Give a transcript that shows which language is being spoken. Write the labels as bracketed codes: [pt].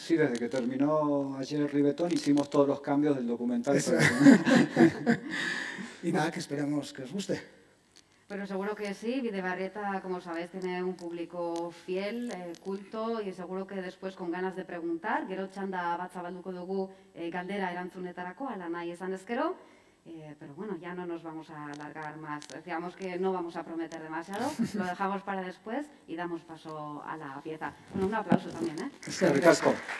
[es] Sí, desde que terminó ayer Ribetón hicimos todos los cambios del documental. Eso. Y nada, que esperamos que os guste. Bueno, seguro que sí. Videbarrieta, como sabéis, tiene un público fiel, culto, y seguro que después con ganas de preguntar. [eu] Gero txanda bat zabalduko dugu galdera erantzunetarako, ala nahi esan ezkero. [es] Pero bueno, ya no nos vamos a alargar más. Decíamos que no vamos a prometer demasiado. Lo dejamos para después y damos paso a la pieza. Bueno, un aplauso también, ¿eh? Es que ricasco.